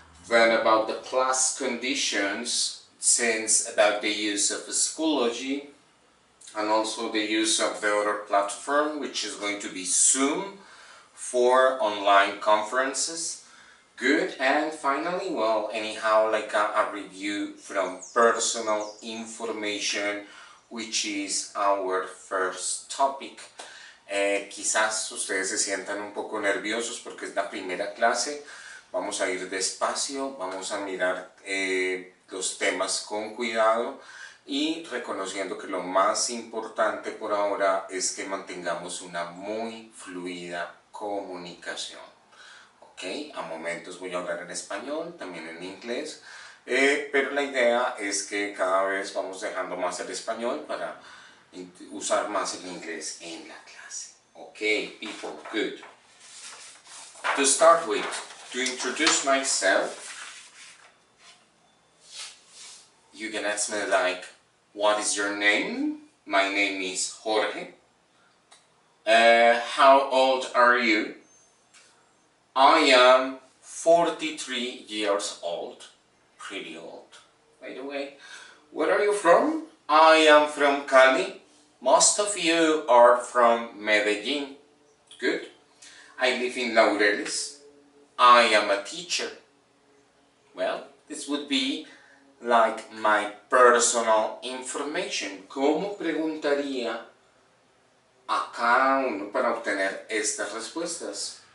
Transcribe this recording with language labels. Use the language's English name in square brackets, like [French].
[English] Then about the class conditions, since about the use of Schoology and also the use of the other platform, which is going to be Zoom for online conferences. Good, and finally, well, anyhow, like a review from personal information, which is our first topic. [Spanish] Quizás ustedes se sientan un poco nerviosos porque es la primera clase. Vamos a ir despacio, vamos a mirar los temas con cuidado y reconociendo que lo más importante por ahora es que mantengamos una muy fluida comunicación. Ok, a momentos voy a hablar en español, también en inglés, pero la idea es que cada vez vamos dejando más el español para usar más el inglés en la clase. [English] Ok, people, good. To start with, to introduce myself, you can ask me like, what is your name? My name is Jorge. How old are you? I am 43 years old. Pretty old, by the way. Where are you from? I am from Cali. Most of you are from Medellín. Good. I live in Laureles. I am a teacher. Well, this would be like my personal information. [Spanish] ¿Cómo preguntaría a cada uno para obtener estas respuestas?